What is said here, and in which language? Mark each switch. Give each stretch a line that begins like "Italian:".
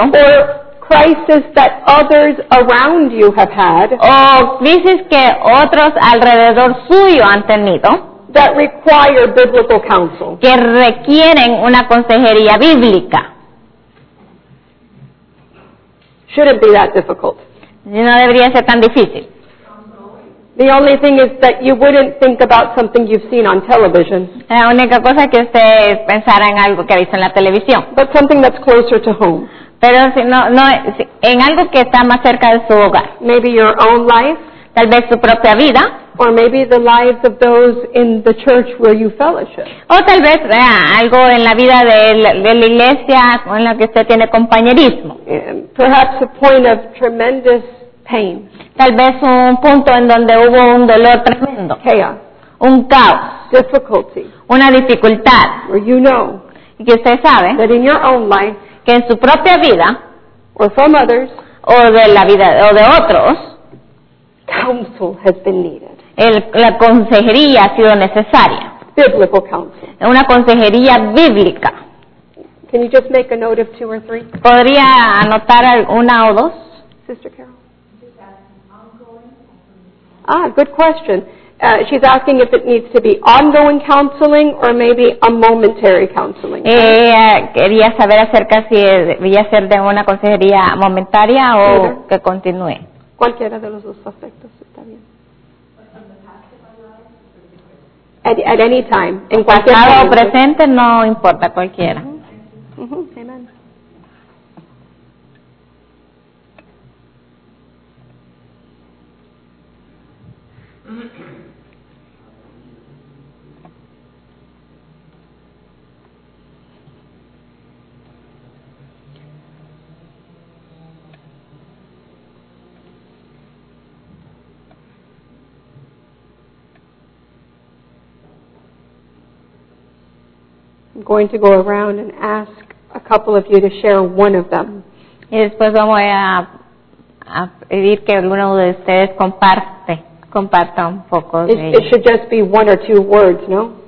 English: Or crises that others around you have had.
Spanish: O crisis que otros alrededor suyo han tenido.
English: That require biblical counsel.
Spanish: Que requieren una consejería bíblica.
English: Shouldn't be that difficult.
Spanish: No debería ser tan difícil.
English: The only thing is that you wouldn't think about something you've seen on television.
Spanish: La única cosa que usted pensara en algo que ha visto en la televisión.
English: But something that's closer to home.
Spanish: Pero si no en algo que está más cerca de su hogar.
English: Maybe your own life.
Spanish: Tal vez su propia vida.
English: Or maybe the lives of those in the church where you fellowship.
Spanish: O tal vez algo en la vida de la iglesia con la que usted tiene compañerismo.
English: Perhaps a point of tremendous pain.
Spanish: Tal vez un punto en donde hubo un dolor tremendo.
English: Chaos.
Spanish: Un caos.
English: Difficulty.
Spanish: Una dificultad.
English: Where you know.
Spanish: Y que usted sabe.
English: That in your own life.
Spanish: Que en su propia vida.
English: Or from others.
Spanish: o de la vida o de otros,
English: counsel has been needed.
Spanish: La consejería ha sido necesaria.
English: Biblical counsel.
Spanish: Una consejería bíblica.
English: Can you just make a note of two or three?
Spanish: ¿Podría anotar una o dos?
English: Sister Carol. Ah, good question. She's asking if it needs to be ongoing counseling or maybe a momentary counseling.
Spanish: Quería saber acerca si debía ser de una consejería momentaria o que continúe. Cualquiera de los dos aspectos está bien.
English: At any time,
Spanish: en cualquier pasado o presente, no importa, cualquiera.
English: Amen. I'm going to go around and ask a couple of you to share one of them.
Spanish: Y después vamos a pedir que alguno de ustedes comparta un poco de ello.
English: It should just be one or two words, no?